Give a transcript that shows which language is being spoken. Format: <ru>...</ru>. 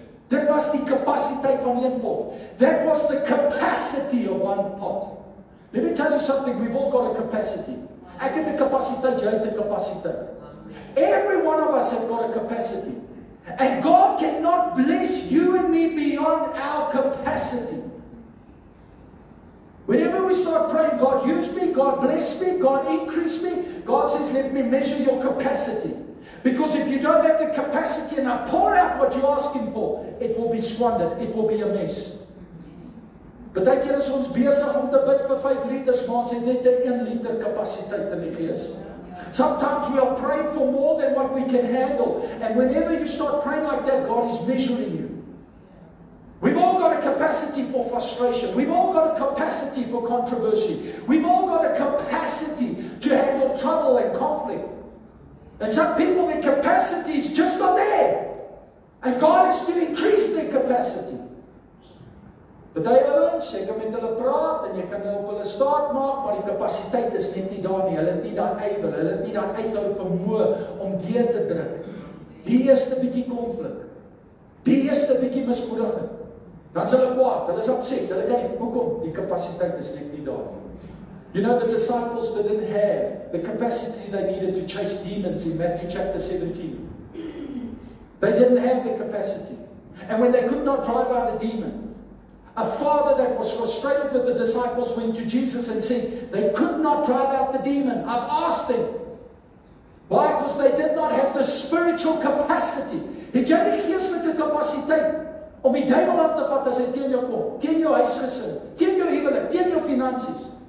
<af>Dit was die kapasiteit van een pot.</af> <en>That was the capacity of one pot. Let me tell you something, we've all got a capacity. Ek het 'n kapasiteit, jy het 'n kapasiteit. Every one of us have got a capacity. And God cannot bless you and me beyond our capacity. Whenever we start praying, God use me, God bless me, God increase me, God says, let me measure your capacity. Because if you don't have the capacity and I pour out what you're asking for, it will be squandered, it will be a mess.</en> <af>Partykeer is ons besig om te bid vir 5 liters, maar ons het net 1 liter kapasiteit in die gees.</af> <en>Sometimes we are praying for more than what we can handle. And whenever you start praying like that, God is measuring you. We've all got a capacity for frustration. We've all got a capacity for controversy. We've all got a capacity to handle trouble and conflict. And some people with capacity is just not there. And God is to increase their capacity. But they</en> <af>ouens, jy kan met hulle praat en jy kan op hulle staat maak, maar die kapasiteit is net nie daar nie. Hulle het nie daar ywer, hulle het nie daar uithou vermoë om deur te druk. Die eerste bietjie konflik. Die eerste bietjie misvoering. Dan is hulle kwaad, hulle is upset, hulle kan nie, hoekom? Die kapasiteit is net nie daar nie.</af> <en>You know the disciples didn't have the capacity they needed to chase demons in Matthew chapter 17. They didn't have the capacity. And when they could not drive out a demon, a father that was frustrated with the disciples went to Jesus and said, they could not drive out the demon. I've asked them. Why? Because they did not have the spiritual capacity.</en> <af>Het jy die geestelike kapasiteit om die duivel aan te vat as hy teen jou kom, teen jou huisgesin, teen jou huwelik, teen jou finansies?</af>